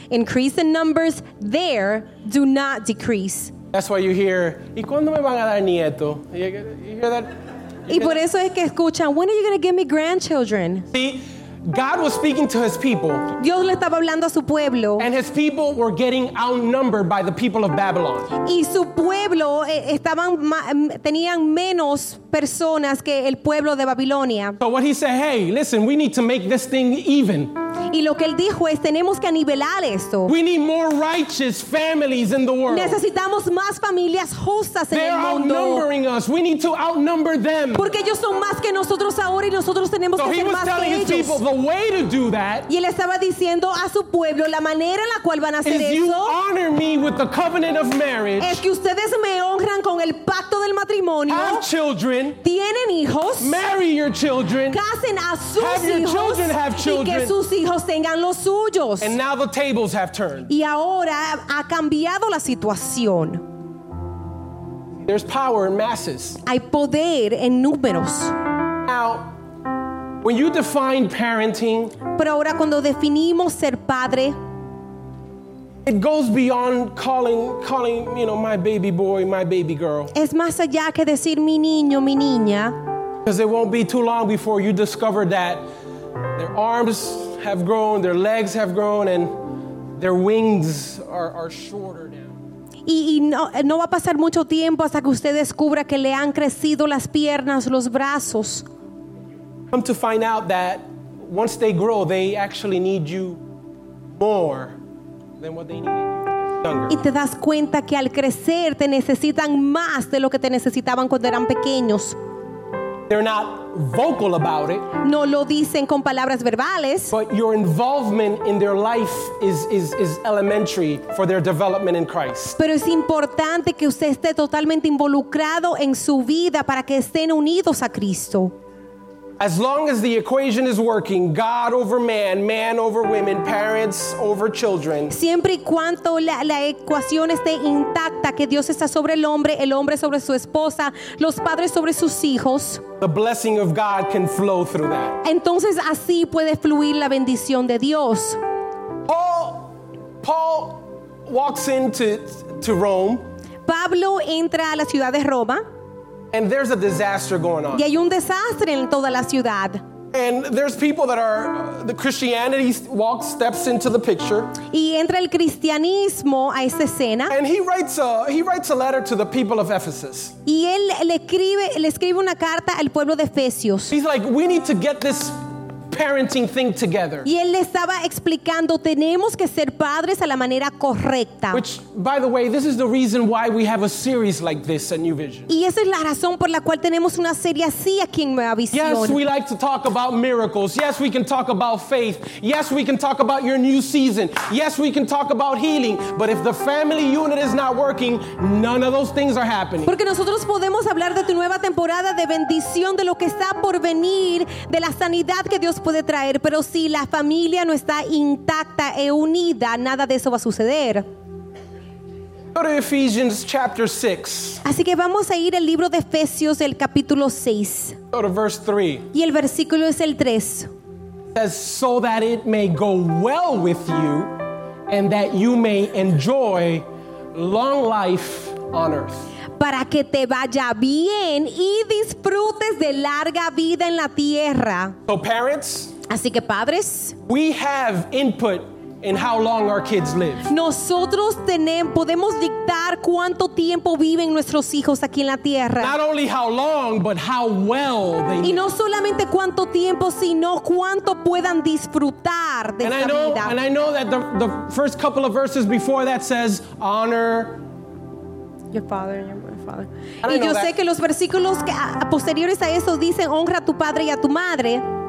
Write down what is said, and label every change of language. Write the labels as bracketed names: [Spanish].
[English] Increase in numbers there, do not decrease. That's why you hear, [Spanish] ¿y cuándo me van a dar nieto? [English] You hear that? [Spanish] Y por eso es que escuchan, [English] when are you going to give me grandchildren? See, God was speaking to his people. [Spanish] Dios le estaba hablando a su pueblo. [English] And his people were getting outnumbered by the people of Babylon. [Spanish] Y su pueblo estaban tenían menos personas que el pueblo de Babilonia. [English] So what he said, hey, listen, we need to make this thing even. [Spanish] Y lo que él dijo es, tenemos que anivelar esto. [English] We need more righteous families in the world. [Spanish] Necesitamos más familias justas en el mundo. [English] They're outnumbering us. We need to outnumber them. [Spanish] Porque ellos son más que nosotros ahora y nosotros tenemos que ser más que ellos. [English] So he was telling his people the way to do that. [Spanish] Y él estaba diciendo a su pueblo la manera en la cual van a hacer eso. [English] Is you honor me with the covenant of marriage. [Spanish] Es que ustedes me honran con el pacto del matrimonio. [English] Have children. [Spanish] Tienen hijos. [English] Marry your children. [Spanish] Casen a sus hijos. [English] Have your children have children. [Spanish] Y que sus hijos tengan los suyos. [English] And now the tables have turned. [Spanish] Y ahora ha cambiado la situación. [English] There's power in masses. [Spanish] Hay poder en números. [English] Now, when you define parenting, [Spanish] pero ahora cuando definimos ser padre, [English] it goes beyond calling, you know, my baby boy, my baby girl. [Spanish] Es más allá que decir mi niño, mi niña. [English] Because it won't be too long before you discover that their arms have grown, their legs have grown, and their wings are shorter now. [Spanish] Y no va a pasar mucho tiempo hasta que usted descubra que le han crecido las piernas, los brazos. [English] Come to find out that once they grow, they actually need you more than what they needed you younger. [Spanish] Y te das cuenta que al crecer te necesitan más de lo que te necesitaban cuando eran pequeños. [English] They're not vocal about it. [Spanish] No lo dicen con palabras verbales. [English] But your involvement in their life is elementary for their development in Christ. [Spanish] Pero es importante que usted esté totalmente involucrado en su vida para que estén unidos a Cristo. [English] As long as the equation is working, God over man, man over women, parents over children. [Spanish] Siempre y cuando la ecuación esté intacta, que Dios está sobre el hombre sobre su esposa, los padres sobre sus hijos. [English] The blessing of God can flow through that. [Spanish] Entonces así puede fluir la bendición de Dios. [English] Paul walks into Rome. [Spanish] Pablo entra a la ciudad de Roma. [English] And there's a disaster going on. [Spanish] Y hay un desastre en toda la ciudad. [English] And there's people that are the Christianity walks steps into the picture. [Spanish] Y entra el cristianismo a esta escena. [English] And he writes a letter to the people of Ephesus. [Spanish] Y él le escribe una carta al pueblo de Efesios. [English] He's like, we need to get this parenting thing together. [Spanish] Y él le estaba explicando, tenemos que ser padres a la manera correcta. [English] Which, by the way, this is the reason why we have a series like this at New Vision. [Spanish] Y esa es la razón por la cual tenemos una serie así aquí en Nueva Visión. [English] Yes, we like to talk about miracles. Yes, we can talk about faith. Yes, we can talk about your new season. Yes, we can talk about healing. But if the family unit is not working, none of those things are happening. [Spanish] Porque nosotros podemos hablar de tu nueva temporada de bendición, de lo que está por venir, de la sanidad que Dios puede traer, pero si la familia no está intacta e unida, nada de eso va a suceder. [English] Go to Ephesians chapter 6. [Spanish] Así que vamos a ir al libro de Efesios, el capítulo 6. [English] Go to verse 3. [Spanish] Y el versículo es el 3. [English] It says, so that it may go well with you and that you may enjoy long life on earth. [Spanish] Para que te vaya bien y disfrutes de larga vida en la tierra. [English] So parents, [Spanish] así que padres, [English] we have input in how long our kids live. [Spanish] Nosotros tenemos, podemos dictar cuánto tiempo viven nuestros hijos aquí en la tierra. [English] Not only how long, but how well they live. [Spanish] Y no solamente cuánto tiempo, sino cuánto puedan disfrutar de esta vida. [English] And I know that the first couple of verses before that says honor your father and your father. [Spanish] Y yo sé que los versículos que posteriores a eso dicen honra a tu padre y a tu madre.